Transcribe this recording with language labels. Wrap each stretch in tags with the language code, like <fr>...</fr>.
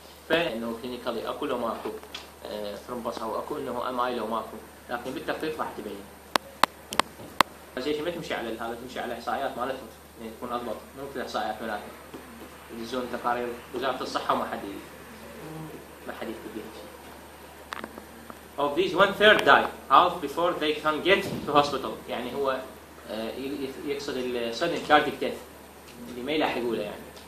<ar>فإنه clinically أكو لو ماكو thrombus أو أكو إنه MI لو ماكو، لكن بالتخطيط راح تبين. بس ايش ما تمشي على هذا، تمشي على احصائيات مالتهم يعني تكون اضبط، مو مثل احصائيات ملاكم يدزون تقارير وزاره الصحه وما حد ما حد يكتب بها شيء.</ar> <en>Of these one third die half before they can get to hospital.</en> <ar>يعني هو يقصد السادن كارديك ديث اللي ما يلاحقوا له يعني.</ar>